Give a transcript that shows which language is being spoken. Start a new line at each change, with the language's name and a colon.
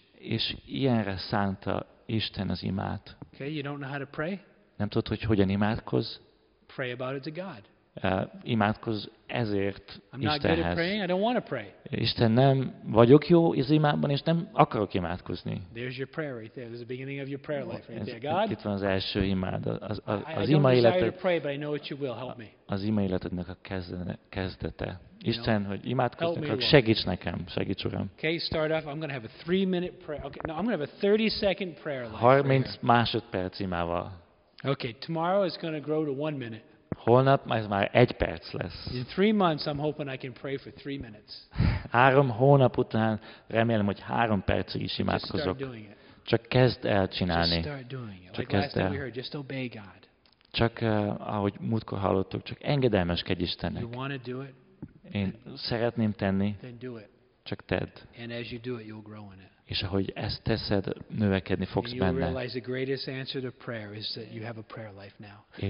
Hungarian: És ilyenre szánta Isten az imát.
English: Okay, you don't know how to pray?
Hungarian: Nem tudod, hogy hogyan imádkozz?
English: Pray about it to God.
Hungarian: Imádkozz ezért Istenhez.
English: Praying, I don't want to pray.
Hungarian: Isten, nem vagyok jó az imában, és nem akarok imádkozni.
English: There's your prayer right there. There's the beginning of your prayer life right there, God.
Hungarian: Itt van az első imád. Az ima életed.
English: I don't pray, but I know what you will. Help me.
Hungarian: Az ima életednek a kezdete. Isten, no. Hogy imádkozni, akkor segíts nekem, segíts Uram.
English: Okay, start off. I'm gonna have a 3-minute prayer. Okay, no, I'm gonna have a 30-second prayer life.
Hungarian: 30 másodperc imával.
English: Okay, tomorrow is going to grow to 1 minute.
Hungarian: Holnap már 1 perc lesz.
English: In 3 months, I'm hoping I can pray for 3 minutes.
Hungarian: 3 hónap után remélem, hogy 3 percig is imádkozok.
English: Just start doing it.
Hungarian: Csak kezd el csinálni.
English: Just start doing it. Csak like last time we heard, just obey God.
Hungarian: Csak ahogy múltkor hallottuk, csak engedelmeskedj Istennek.
English: You want to do it?
Hungarian: Én szeretném tenni.
English: Then do it.
Hungarian: Csak tedd.
English: And as you do it, you'll grow in it.
Hungarian: És ahogy ezt teszed, növekedni fogsz benne.
English: Realize the greatest answer to prayer is that you have a prayer life now.